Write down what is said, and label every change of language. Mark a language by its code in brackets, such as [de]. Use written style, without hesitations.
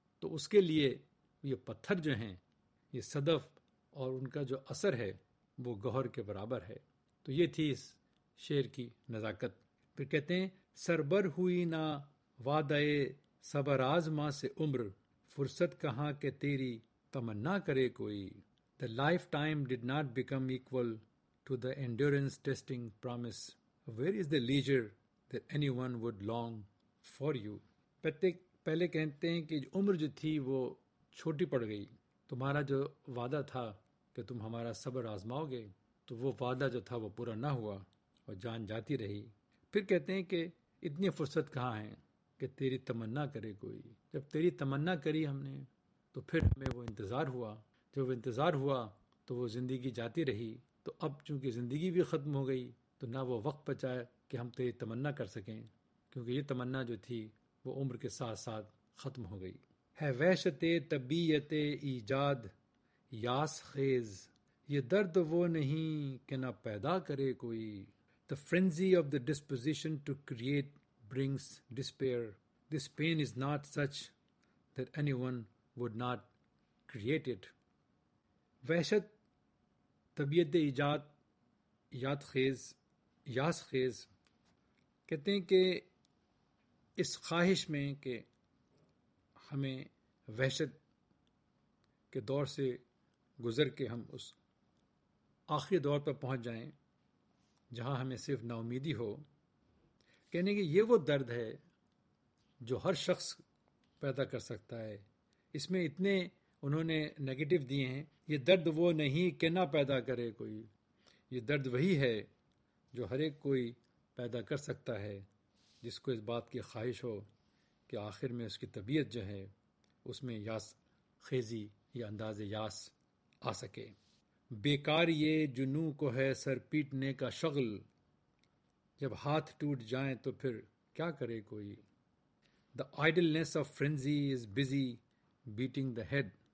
[ur] تو اس کے لیے یہ پتھر جو ہیں, یہ صدف اور ان کا جو اثر ہے وہ گوہر کے برابر ہے. تو یہ تھی اس شعر کی نزاکت. پھر کہتے ہیں سربر ہوئی نہ وعدہ صبر آزما سے عمر, فرصت کہاں کہ تیری تمنا کرے کوئی. [en] The life time did not become equal to the endurance testing promise, where is the leisure that anyone would long for you. [ur] پہلے کہتے ہیں کہ عمر جو تھی وہ چھوٹی پڑ گئی, تمہارا جو وعدہ تھا کہ تم ہمارا صبر آزماؤ گے تو وہ وعدہ جو تھا وہ پورا نہ ہوا اور جان جاتی رہی. پھر کہتے ہیں کہ اتنی فرصت کہاں ہے کہ تیری تمنا کرے کوئی. جب تیری تمنا کری ہم نے تو پھر ہمیں وہ انتظار ہوا, جب وہ انتظار ہوا تو وہ زندگی جاتی رہی. تو اب چونکہ زندگی بھی ختم ہو گئی تو نہ وہ وقت بچا کہ ہم تیری تمنا کر سکیں, کیونکہ یہ تمنا جو تھی وہ عمر کے ساتھ ساتھ ختم ہو گئی. ہے وحشت طبیعت ایجاد یاس خیز, یہ درد وہ نہیں کہ نہ پیدا کرے کوئی. [en] The frenzy of the disposition to create brings despair, this pain is not such that anyone would not create it. [ur] وحشت طبیعت ایجاد یاد خیز یاس خیز, کہتے ہیں کہ اس خواہش میں کہ ہمیں وحشت کے دور سے گزر کے ہم اس آخری دور پر پہنچ جائیں جہاں ہمیں صرف نا امیدی ہو. کہنے کہ یہ وہ درد ہے جو ہر شخص پیدا کر سکتا ہے. اس میں اتنے انہوں نے نگیٹو دیے ہیں, یہ درد وہ نہیں کہ نہ پیدا کرے کوئی, یہ درد وہی ہے جو ہر ایک کوئی پیدا کر سکتا ہے جس کو اس بات کی خواہش ہو کہ آخر میں اس کی طبیعت جو ہے اس میں یاس خیزی یا انداز یاس آ سکے. بیکار یہ جنوں کو ہے سر پیٹنے کا شغل, جب ہاتھ ٹوٹ جائیں تو پھر کیا کرے کوئی. [en] The idleness of frenzy is busy beating the head.